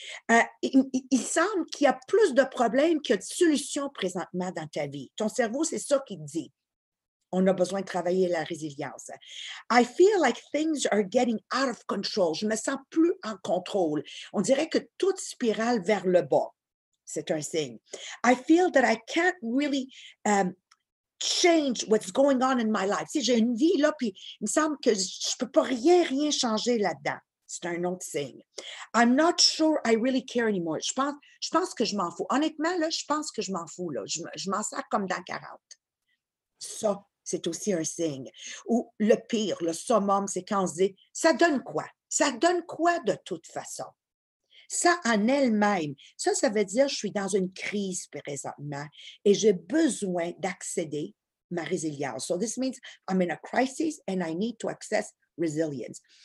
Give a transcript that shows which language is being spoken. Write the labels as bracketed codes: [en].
[fr] Il semble qu'il y a plus de problèmes qu'il y a de solutions présentement dans ta vie. Ton cerveau, c'est ça qu'il dit. On a besoin de travailler la résilience. [en] I feel like things are getting out of control. [fr] Je me sens plus en contrôle. On dirait que tout spirale vers le bas. C'est un signe. [en] I feel that I can't really change what's going on in my life. [fr] Si j'ai une vie là, puis il me semble que je peux pas rien changer là-dedans. C'est un autre signe. [en] I'm not sure I really care anymore. [fr] Je pense que je m'en fous. Honnêtement là, je pense que je m'en fous là. Je m'en sers comme dans 40. Ça. C'est aussi un signe. Ou le pire, le summum, c'est quand on se dit, ça donne quoi? Ça donne quoi de toute façon? Ça en elle-même, ça veut dire que je suis dans une crise présentement et j'ai besoin d'accéder à ma résilience. [en] So this means I'm in a crisis and I need to access resilience.